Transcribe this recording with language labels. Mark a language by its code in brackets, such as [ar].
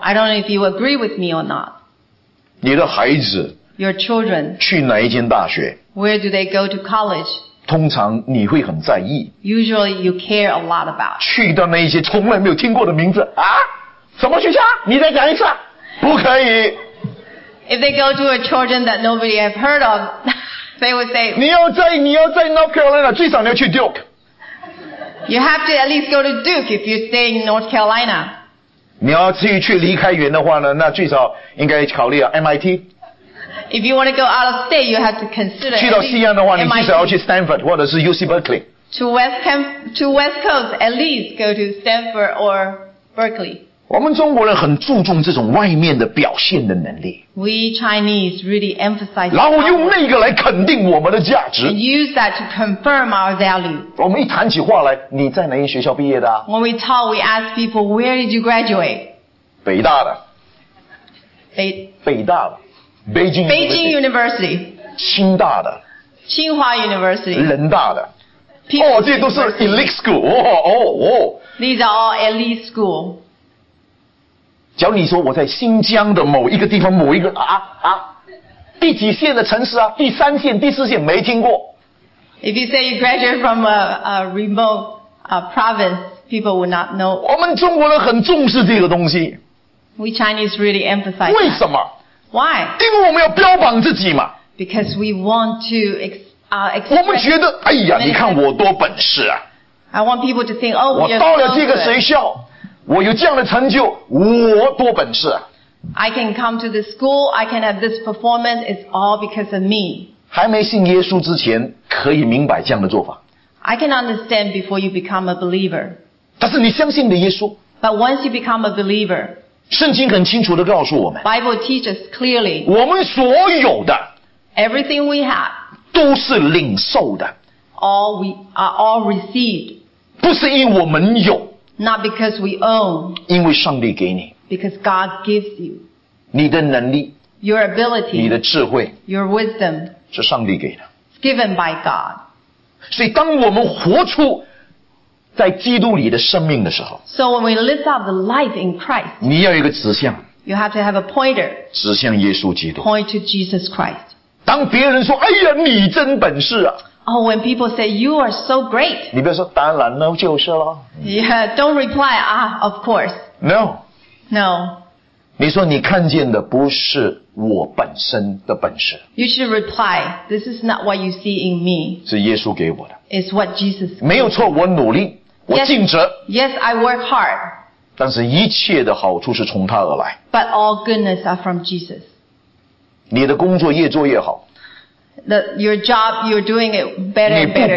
[en] I don't know if you agree with me or not. [zh] 你的孩子 [en] Your children [zh] 去哪一间大学 [en] Where do they go to college? [zh] 通常你会很在意。 [en] Usually you care a lot about. [zh] 去到那一些从来没有听过的名字啊？什么学校？你再讲一次。不可以。 [en] If they go to a children that nobody have heard of, they would say. [zh] 你要在 North Carolina 最少你要去 Duke. [en] You have to at least go to Duke if you stay in North Carolina. [zh] 你要至于去离开远的话呢，那最少应该考虑啊 MIT. [en] If you want to go out of state, you have to consider. [zh] 去到西岸的话，你至少要去 Stanford 或者是 UC Berkeley. [en] To West Coast, at least go to Stanford or Berkeley. [zh] 我们中国人很注重这种外面的表现的能力。 [en] We Chinese really emphasize. [zh] 然后用那个来肯定我们的价值。 [en] And use that to confirm our value. [zh] 我们一谈起话来，你在哪一学校毕业的、啊、 [en] ？When we talk, we ask people, where did you graduate? [zh] 北大的。北大的。 [en] Beijing University。北京 University。 [zh] 清大的。 [en] 清华 University。 [zh] 人大的。 [en] People、 [zh] 哦，这些都是 elite school。哦。 [en] These are all elite school. [zh] 假如你说我在新疆的某一个地方某一个第几线的城市啊第三线第四线没听过。 [en] If you say you graduate from a remote province, people would not know. [zh] 我们中国人很重视这个东西。 [en] We Chinese really emphasize that. [zh] 为什么 [en] ?Why? [zh] 因为我们要标榜自己嘛。 [en] Because we want to [zh] 我们觉得哎呀你看我多本事啊。 [en] I want people to think, oh, you're so good. [zh] 我到了这个学校。我有这样的成就，我多本事啊 [en] ！I can come to this school, I can have this performance. It's all because of me. [zh] 还没信耶稣之前，可以明白这样的做法。 [en] I can understand before you become a believer. [zh] 但是你相信的耶稣。 [en] But once you become a believer, [zh] 圣经很清楚地告诉我们。 [en] Bible teaches clearly. [zh] 我们所有的 [en] ，everything we have， [zh] 都是领受的。 [en] All we are all received. [zh] 不是因我们有。 [en] Not because we own. [zh] 因为上帝给你。 [en] Because God gives you. [zh] 你的能力。 [en] Your ability. [zh] 你的智慧。 [en] Your wisdom. [zh] 是上帝给的。 [en] It's given by God. [zh] 所以当我们活出在基督里的生命的时候。 [en] So when we live out the life in Christ. [zh] 你要有一个指向。 [en] You have to have a pointer. [zh] 指向耶稣基督。 [en] Point to Jesus Christ. [zh] 当别人说，哎呀，你真本事啊。 [en] Oh, when people say you are so great. [zh] 你不要说当然了，就是了。 [en] Yeah, don't reply, ah, of course. No. No. [zh] 你说你看见的不是我本身的本事。 [en] You should reply, this is not what you see in me. [zh] 是耶稣给我的。 [en] It's what Jesus gave [zh] me. 没有错，我努力，我尽责。 [en] Yes, I work hard. [zh] 但是一切的好处是从他而来。 [en] But all goodness are from Jesus. [zh] 你的工作越做越好。 [en] That your job, you're doing it better and better.